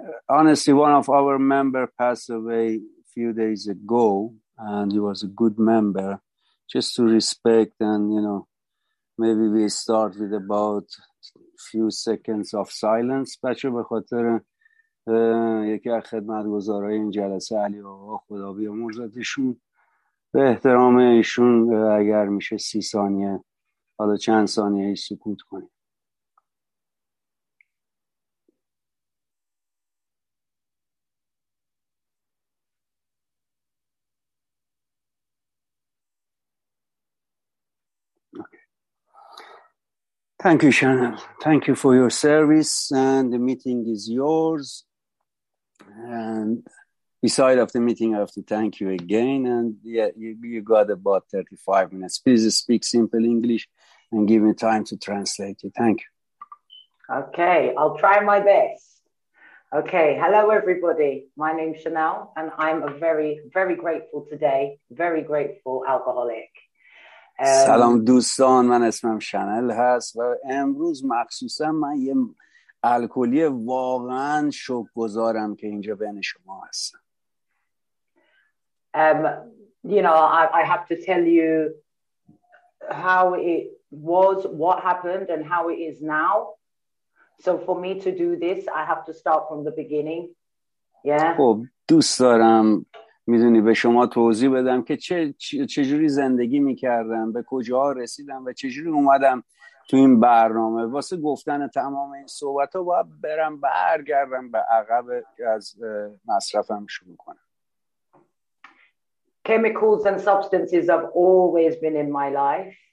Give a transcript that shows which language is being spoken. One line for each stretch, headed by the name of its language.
English: Honestly, one of our member passed away a few days ago and he was a good member. Just to respect and, you know, maybe we start with about few seconds of silence.
Persian: بچه به خاطر یکی از خدمتگزارای این جلسه، علی آقا خدا بیامرزتشون، به احترام ایشون اگر میشه 30 ثانیه، حالا چند ثانیه ای سکوت کنیم.
English: Thank you, Chanel. Thank you for your service, and the meeting is yours. And beside of the meeting, I have to thank you again. And yeah, you got about 35 minutes. Please speak simple English and give me time to translate you. Thank you. Okay, I'll try my best. Okay, hello, everybody. My name's Chanel, and I'm a very, very grateful today, very grateful alcoholic.
Persian: سلام دوستان، من اسمم شنل هست و امروز مخصوصا من یه الکلی واقعا شوک گذارم که اینجا بین شما هستم.
English: You know, I have to tell you how it was, what happened and how it is now. So for me to do this, I have to start from the beginning. Yeah.
Persian: خب دوست دارم میدونی به شما توضیح بدم که چجوری زندگی میکردم، به کجا رسیدم و چجوری اومدم تو این برنامه. واسه گفتن تمام این صحبت ها باید برم برگردم به عقب از مصرفم شروع کنم.
English: Chemicals and substances have always been in my life.